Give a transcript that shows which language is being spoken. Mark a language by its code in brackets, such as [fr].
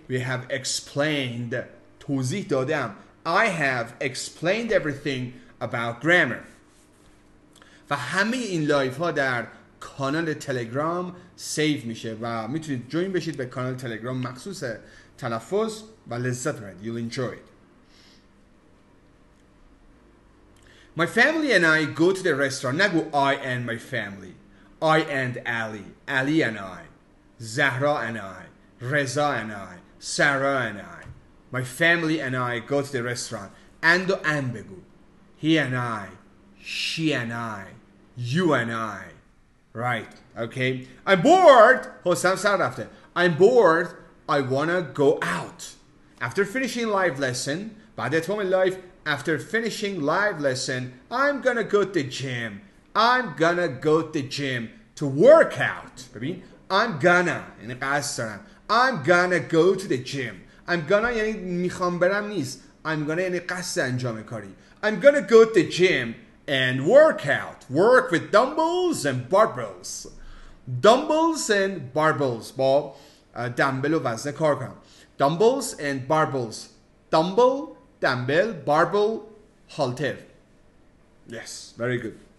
[en] We have explained. [fa] توضیح دادم. [en] I have explained everything about grammar. [fa] و همه این لایف ها در کانال تلگرام سیو میشه و میتونید جوین بشید به کانال تلگرام مخصوص تلفظ و لذت برید. [en] You'll enjoy it. My family and I go to the restaurant. [fa] نگو [en] I and my family. I and Ali. Ali and I. Zahra and I. Reza and I. Sarah and I. My family and I go to the restaurant. And [fa] و ام بگو. [en] He and I. She and I. You and I. Right. Okay. I'm bored. حسام [fa] سر رفته. [en] I'm bored. I wanna go out. After finishing live lesson. [fa] بعد اتمام لایف. [en] After finishing live lesson. I'm gonna go to the gym. I'm gonna go to the gym. To work out. [fa] ببین. [en] I'm gonna. [fa] یعنی قصد دارم. [en] I'm gonna go to the gym. I'm gonna [fa] یعنی میخوام برم نیست. I'm gonna یعنی قصد انجام کاری. [en] I'm gonna go to the gym and work out. Work with dumbbells and barbells. Dumbbells and barbells. [fa] با دمبل و وزن کار کنم. [en] Dumbbells and barbells. Dumbbell, dumbbell, barbell, halter. Yes, very good.